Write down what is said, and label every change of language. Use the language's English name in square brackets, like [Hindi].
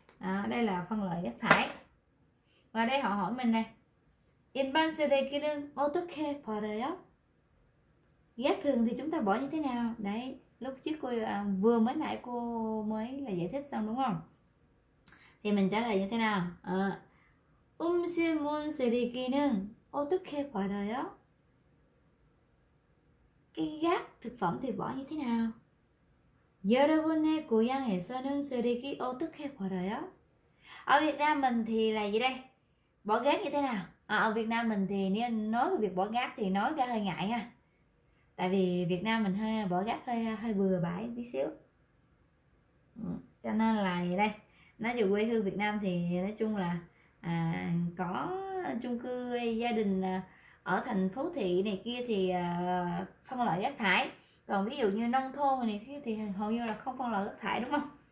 [Vietnamese] À, đây là phân loại rác thải. Và đây họ hỏi mình này, in ban sẽ đây kia nên auto care for đấy, gác thường thì chúng ta bỏ như thế nào đấy, lúc trước cô vừa mới nãy cô mới là giải thích xong đúng không, thì mình trả lời như thế nào? [Korean] À, 음식물 쓰레기는 어떻게 버려요? [Vietnamese] Cái rác thực phẩm thì bỏ như thế nào? [Korean] 여러분의 고향에서는 쓰레기 어떻게 버려요? [Vietnamese] Ở Việt Nam mình thì là gì đây? Bỏ rác như thế nào? À, ở Việt Nam mình thì nếu nói về việc bỏ rác thì nói ra hơi ngại ha. Tại vì Việt Nam mình hơi bỏ rác hơi hơi bừa bãi tí xíu. Cho nên là gì đây? Nói về quê hương Việt Nam thì nói chung là có chung cư gia đình ở thành phố thị này kia thì phân loại rác thải, còn ví dụ như nông thôn này kia thì hầu như là không phân loại rác thải đúng không?